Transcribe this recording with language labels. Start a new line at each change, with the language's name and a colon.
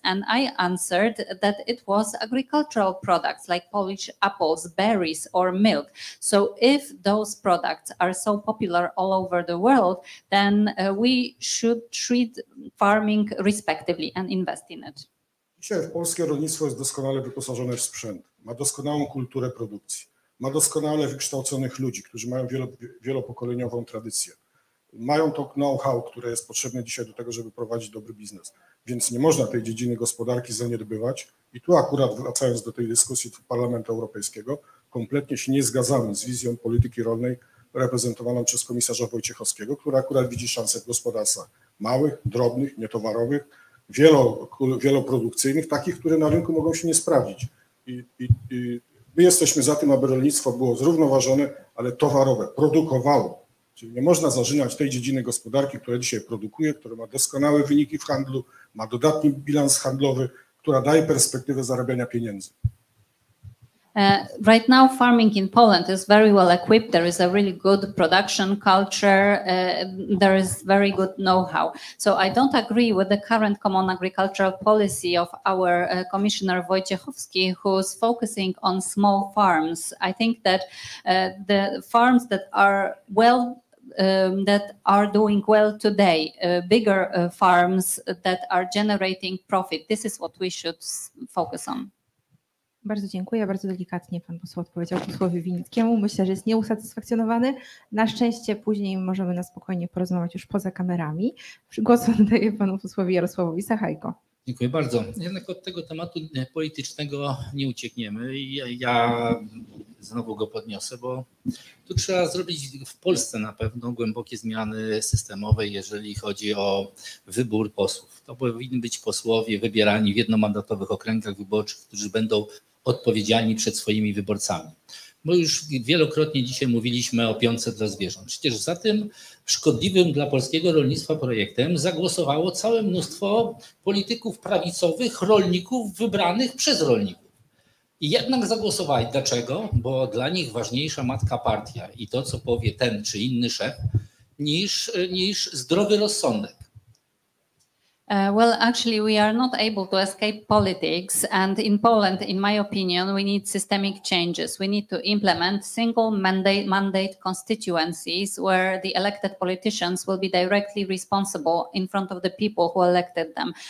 English: And I answered that it was agricultural products like Polish apples, berries or milk. So if those products are so popular all over the world, then we should treat farming respectively and invest in it.
Polish: Dzisiaj w polskie rolnictwo jest doskonale wyposażone w sprzęt. Ma doskonałą kulturę produkcji. Ma doskonale wykształconych ludzi, którzy mają wielopokoleniową tradycję. Mają to know-how, które jest potrzebne dzisiaj do tego, żeby prowadzić dobry biznes. Więc nie można tej dziedziny gospodarki zaniedbywać. I tu akurat wracając do tej dyskusji Parlamentu Europejskiego, kompletnie się nie zgadzamy z wizją polityki rolnej reprezentowaną przez komisarza Wojciechowskiego, która akurat widzi szansę w gospodarstwach małych, drobnych, nietowarowych, wieloprodukcyjnych, takich, które na rynku mogą się nie sprawdzić. I my jesteśmy za tym, aby rolnictwo było zrównoważone, ale towarowe, produkowało. Czyli nie można zarzynać tej dziedziny gospodarki, która dzisiaj produkuje, która ma doskonałe wyniki w handlu, ma dodatni bilans handlowy, która daje perspektywę zarabiania pieniędzy.
English: Right now farming in Poland is very well equipped. There is a really good production culture. There is very good know-how. So I don't agree with the current common agricultural policy of our Commissioner Wojciechowski, who's focusing on small farms. I think that the farms that are well that are doing well today, bigger farms that are generating profit. This is what we should focus on.
Polish: Bardzo dziękuję. Bardzo delikatnie pan poseł odpowiedział posłowi Winnickiemu. Myślę, że jest nieusatysfakcjonowany. Na szczęście później możemy na spokojnie porozmawiać już poza kamerami. Głos oddaję panu posłowi Jarosławowi Sachajko. Dziękuję bardzo. Jednak od tego tematu politycznego nie uciekniemy. Ja znowu go podniosę, bo tu trzeba zrobić w Polsce na pewno głębokie zmiany systemowe, jeżeli chodzi o wybór posłów. To powinni być posłowie wybierani w jednomandatowych okręgach wyborczych, którzy będą odpowiedzialni przed swoimi wyborcami. Bo już wielokrotnie dzisiaj mówiliśmy o piątce dla zwierząt. Przecież za tym szkodliwym dla polskiego rolnictwa projektem zagłosowało całe mnóstwo polityków prawicowych, rolników wybranych przez rolników. I jednak zagłosowali. Dlaczego? Bo dla nich ważniejsza matka partia i to, co powie ten czy inny szef, niż zdrowy rozsądek.
English: Well, actually, we are not able to escape politics. And in Poland, in my opinion, we need systemic changes. We need to implement single mandate constituencies where the elected politicians will be directly responsible in front of the people who elected them.